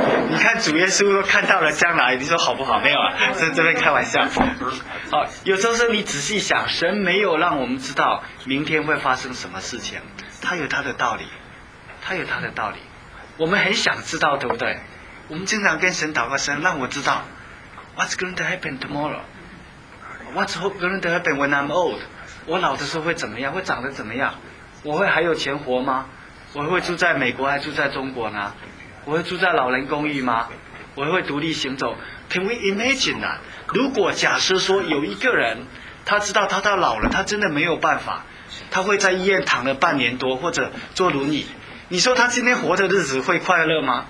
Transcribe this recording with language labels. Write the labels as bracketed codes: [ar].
[zh] 你看主耶稣看到了将来，你说好不好？没有啊，在这边开玩笑。好，有时候是你仔细想，神没有让我们知道明天会发生什么事情，他有他的道理。他有他的道理，我们很想知道，对不对？我们经常跟神祷告，神让我知道， [en] What's going to happen tomorrow? What's going to happen when I'm old? [zh] 我老的时候会怎么样？会长得怎么样？我会还有钱活吗？我会住在美国还住在中国呢？我会住在老人公寓吗？我会独立行走？ [en] Can we imagine that? [zh] 如果假设说有一个人，他知道他到老了，他真的没有办法，他会在医院躺了半年多或者坐轮椅，你说他今天活的日子会快乐吗？